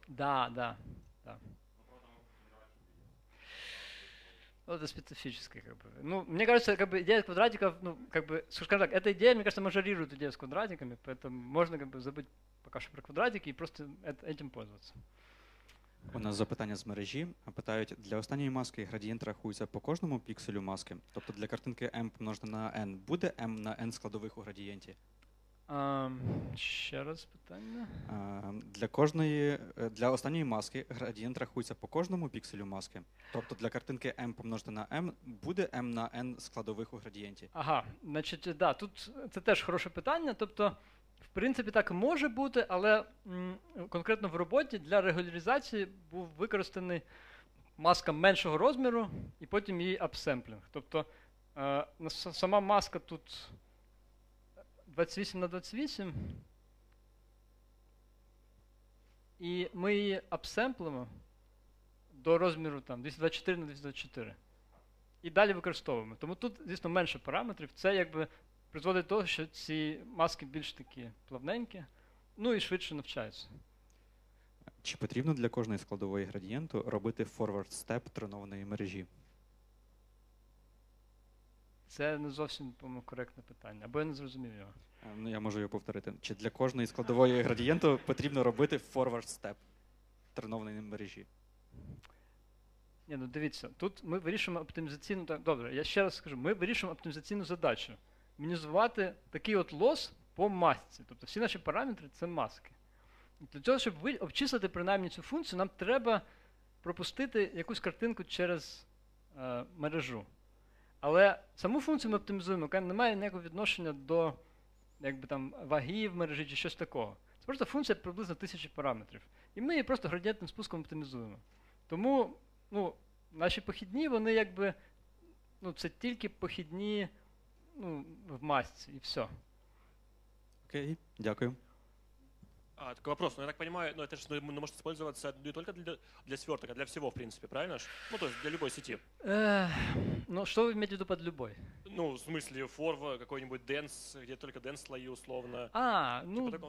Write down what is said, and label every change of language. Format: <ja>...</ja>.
<ru>Да. Ну, это специфическое, как бы. Ну, мне кажется, как бы идея с квадратиков, ну, как бы, скажем так, эта идея, мне кажется, мажорирует идею с квадратиками, поэтому можно как бы забыть пока что про квадратики и просто этим пользоваться.</ru> <uk>У нас запитання з мережі. Питають, для останньої маски градієнт рахується по кожному пікселю маски? Тобто для картинки M помножити на N. Буде M на N складових у градієнті? Ще раз питання. Для кожної, для останньої маски градієнт рахується по кожному пікселю маски. Тобто для картинки M помножити на M буде M на N складових у градієнті. Ага, значить, да, тут це теж хороше питання. Тобто, в принципі, так може бути, але конкретно в роботі для регуляризації був використаний маска меншого розміру і потім її апсемплінг. Тобто, сама маска тут 28 на 28. І ми її апсемплимо до розміру там 224 на 224. І далі використовуємо. Тому тут, звісно, менше параметрів. Це якби призводить до того, що ці маски більш такі плавненькі, ну і швидше навчаються. Чи потрібно для кожної складової градієнту робити forward step тренованої мережі? Це не зовсім, по-моєму, коректне питання, або я не зрозумів його. Ну, я можу його повторити. Чи для кожної складової градієнту потрібно робити forward step тренованої мережі? Ні, ну дивіться, тут ми вирішуємо оптимізаційну... Добре, я ще раз скажу, ми вирішуємо оптимізаційну задачу. Мінімізувати такий от лос по масці. Тобто всі наші параметри – це маски. І для цього, щоб обчислити принаймні цю функцію, нам треба пропустити якусь картинку через мережу. Але саму функцію ми оптимізуємо, яка не має ніякого відношення до якби, там, ваги в мережі чи щось такого. Це просто функція приблизно 1000 параметрів. І ми її просто градієнтним спуском оптимізуємо. Тому ну, наші похідні, вони якби, ну, це тільки похідні ну, в масці, і все. Окей, дякую.</uk> <ru>А, такой вопрос. Ну, я так понимаю, ну, это же ну, может использоваться не только для сверток, а для всего, в принципе, правильно? Ну, то есть для любой сети. Ну, что вы имеете в виду под любой? Ну, в смысле, форва, какой-нибудь денс, где только денс-слои условно. А, ну... Типа,</ru>